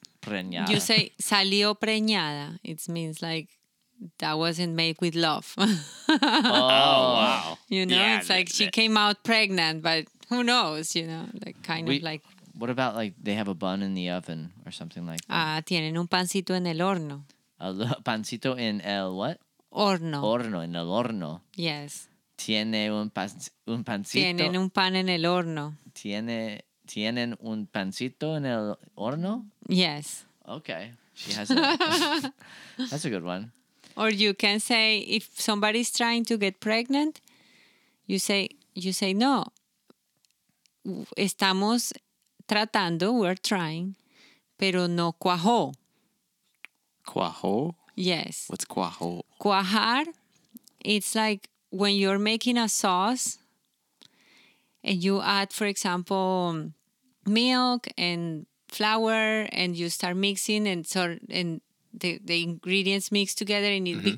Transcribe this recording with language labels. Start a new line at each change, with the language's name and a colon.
Spanish: Preñada.
English: You say
Spanish: salió preñada.
English: It means like that wasn't made with love. Oh, wow. You know, yeah, it's like she came out pregnant, but who knows, you know, like kind of like. What about like they have a bun in the oven or something like that?
Spanish: Tienen un pancito en el horno. Pancito en el
English: what?
Spanish: Horno. Horno, en el horno.
English: Yes.
Spanish: Tiene un pancito. Tienen un pan en el horno. Tienen un pancito en el horno?
English: Yes. Okay. She has a, that's a good one. Or you can say, if somebody's trying to get pregnant, you say no.
Spanish: Estamos tratando,
English: we're trying,
Spanish: pero no cuajó. Cuajó?
English: Yes. What's cuajó? Cuajar, it's like when you're making a sauce and you add, for example, milk and flour and you start mixing and the ingredients mix together and it mm-hmm.